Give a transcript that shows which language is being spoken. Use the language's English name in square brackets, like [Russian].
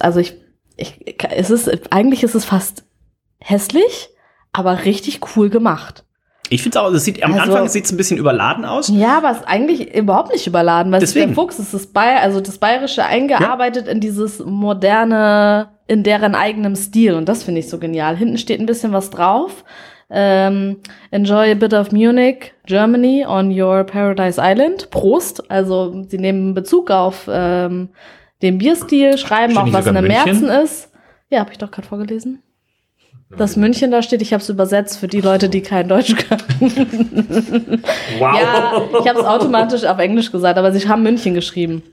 [German] Also es ist fast hässlich, aber richtig cool gemacht. Ich finde es auch, Anfang sieht es ein bisschen überladen aus. Ja, aber es ist eigentlich überhaupt nicht überladen, weil deswegen. Es ist der Fuchs, es ist das Bayerische eingearbeitet in dieses moderne, in deren eigenem Stil. Und das finde ich so genial. Hinten steht ein bisschen was drauf. [English] Enjoy a bit of Munich, Germany on your Paradise Island. [German] Prost. Also sie nehmen Bezug auf den Bierstil, schreiben auch, was eine Märzen ist. Ja, habe ich doch gerade vorgelesen. Dass München da steht, ich habe es übersetzt für die Leute, die kein Deutsch können. Wow. Ja, ich habe es automatisch auf Englisch gesagt, aber sie haben München geschrieben.